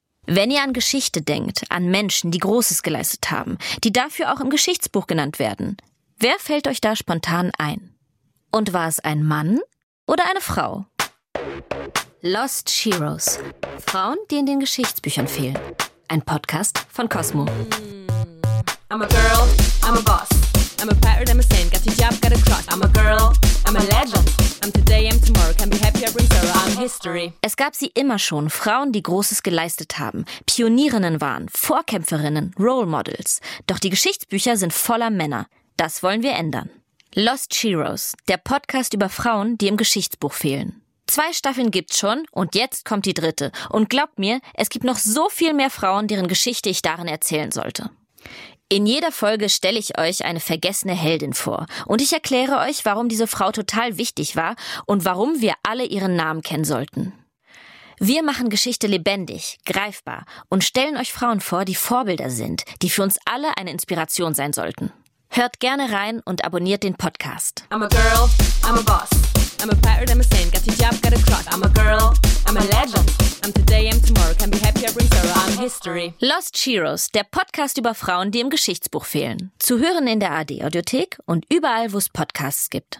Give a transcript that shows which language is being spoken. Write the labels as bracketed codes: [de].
[de] Wenn ihr an Geschichte denkt, an Menschen, die Großes geleistet haben, die dafür auch im Geschichtsbuch genannt werden, wer fällt euch da spontan ein? Und war es ein Mann oder eine Frau? Lost Heroes. Frauen, die in den Geschichtsbüchern fehlen. Ein Podcast von Cosmo. [en] I'm a girl, I'm a boss. I'm a pirate, I'm a saint, got a job, got a crush. I'm a girl, I'm a legend. I'm today, I'm tomorrow, can be happy every zero. I'm history. [de] Es gab sie immer schon, Frauen, die Großes geleistet haben, Pionierinnen waren, Vorkämpferinnen, Role Models. Doch die Geschichtsbücher sind voller Männer. Das wollen wir ändern. Lost Heroes, der Podcast über Frauen, die im Geschichtsbuch fehlen. 2 Staffeln gibt's schon und jetzt kommt die 3. Und glaubt mir, es gibt noch so viel mehr Frauen, deren Geschichte ich darin erzählen sollte. In jeder Folge stelle ich euch eine vergessene Heldin vor und ich erkläre euch, warum diese Frau total wichtig war und warum wir alle ihren Namen kennen sollten. Wir machen Geschichte lebendig, greifbar und stellen euch Frauen vor, die Vorbilder sind, die für uns alle eine Inspiration sein sollten. Hört gerne rein und abonniert den Podcast. [en] I'm a girl, I'm a boss. I'm a pirate, I'm a saint, got a job, got a crush. I'm a girl, I'm a legend. I'm today, I'm tomorrow, can be happy every zero. I'm history. [de] Lost Heroes, der Podcast über Frauen, die im Geschichtsbuch fehlen. Zu hören in der ARD Audiothek und überall, wo es Podcasts gibt.